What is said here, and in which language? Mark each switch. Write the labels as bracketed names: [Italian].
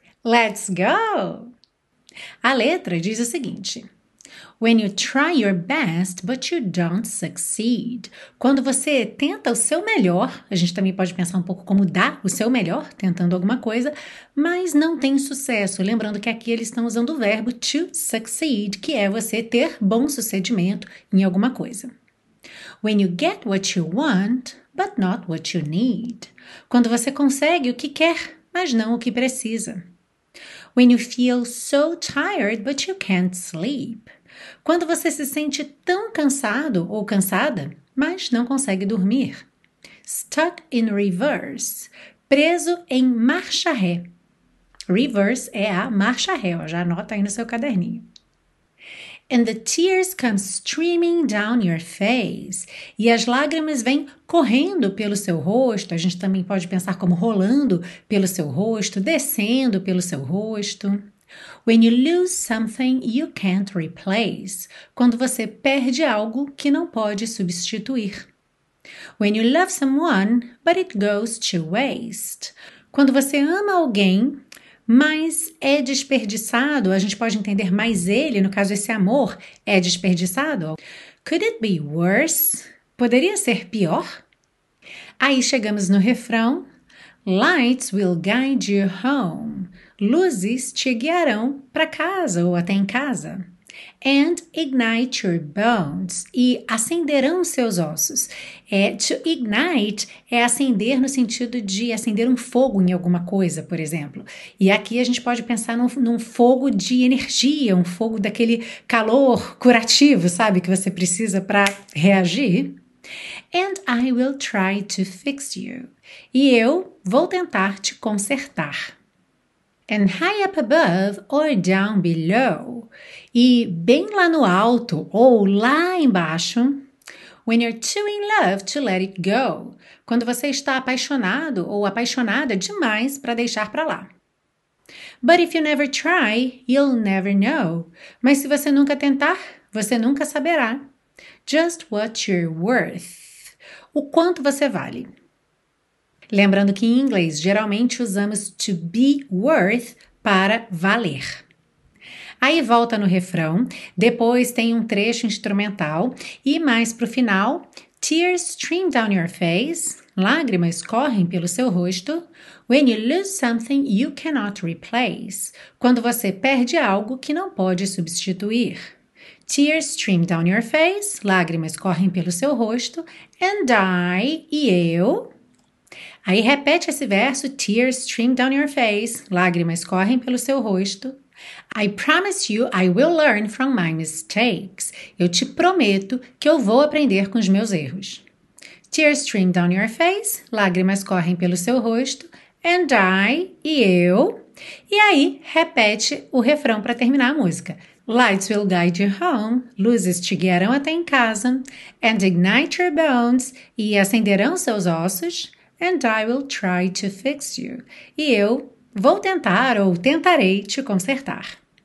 [English] Let's go! [Portuguese] A letra diz o seguinte: [English] When you try your best, but you don't succeed. [Portuguese] Quando você tenta o seu melhor, a gente também pode pensar um pouco como dar o seu melhor, tentando alguma coisa, mas não tem sucesso. Lembrando que aqui eles estão usando o verbo to succeed, que é você ter bom sucedimento em alguma coisa. [English] When you get what you want, but not what you need. [Portuguese] Quando você consegue o que quer, mas não o que precisa. [English] When you feel so tired, but you can't sleep. [Portuguese] Quando você se sente tão cansado ou cansada, mas não consegue dormir. [English] Stuck in reverse. [Portuguese] Preso em marcha ré. Reverse é a marcha ré, ó, já anota aí no seu caderninho. [English] And the tears come streaming down your face. [Portuguese] E as lágrimas vêm correndo pelo seu rosto. A gente também pode pensar como rolando pelo seu rosto, descendo pelo seu rosto. [English] When you lose something you can't replace. [Portuguese] Quando você perde algo que não pode substituir. [English] When you love someone, but it goes to waste. [Portuguese] Quando você ama alguém, mas é desperdiçado, a gente pode entender mais ele, no caso esse amor, é desperdiçado. [English] Could it be worse? [Portuguese] Poderia ser pior? Aí chegamos no refrão. [English] Lights will guide you home. [Portuguese] Luzes te guiarão para casa ou até em casa. [English] And ignite your bones. [Portuguese] E acenderão seus ossos. To ignite é acender no sentido de acender um fogo em alguma coisa, por exemplo. E aqui a gente pode pensar num fogo de energia, um fogo daquele calor curativo, sabe? Que você precisa para reagir. [English] And I will try to fix you. [Portuguese] E eu vou tentar te consertar. [English] And high up above or down below. [Portuguese] E bem lá no alto ou lá embaixo. [English] When you're too in love to let it go. [Portuguese] Quando você está apaixonado ou apaixonada demais para deixar para lá. [English] But if you never try, you'll never know. [Portuguese] Mas se você nunca tentar, você nunca saberá. [English] Just what you're worth. [Portuguese] O quanto você vale. Lembrando que em inglês geralmente usamos to be worth para valer. Aí volta no refrão, depois tem um trecho instrumental e mais pro final, [English] tears stream down your face, [Portuguese] lágrimas correm pelo seu rosto, [English] when you lose something you cannot replace, [Portuguese] quando você perde algo que não pode substituir. [English] Tears stream down your face, [Portuguese] lágrimas correm pelo seu rosto, [English] and I, [Portuguese] e eu. Aí repete esse verso, [English] tears stream down your face, [Portuguese] lágrimas correm pelo seu rosto. [English] I promise you I will learn from my mistakes. [Portuguese] Eu te prometo que eu vou aprender com os meus erros. [English] Tears stream down your face, [Portuguese] lágrimas correm pelo seu rosto, [English] and I, [Portuguese] e eu. E aí repete o refrão para terminar a música. [English] Lights will guide you home, [Portuguese] luzes te guiarão até em casa, [English] and ignite your bones, [Portuguese] e acenderão seus ossos, [English] and I will try to fix you, [Portuguese] e eu vou tentar ou tentarei te consertar.